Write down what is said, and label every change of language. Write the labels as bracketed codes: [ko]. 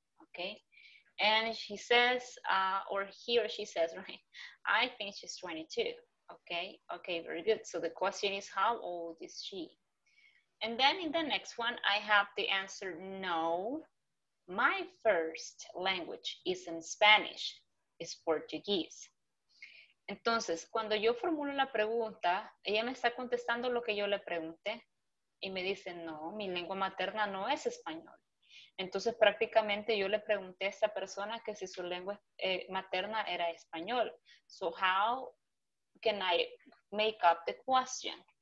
[en] Okay, and she says, or he or she says, right, I think she's 22. Okay, very good. So the question is, how old is she? And then in the next one, I have the answer, no, my first language isn't Spanish, it's Portuguese. [es] Entonces, cuando yo formulo la pregunta, ella me está contestando lo que yo le pregunté, y me dice, no, mi lengua materna no es español. Entonces, prácticamente yo le pregunté a esta persona que si su lengua materna era español. [en] So, how can I make up the question?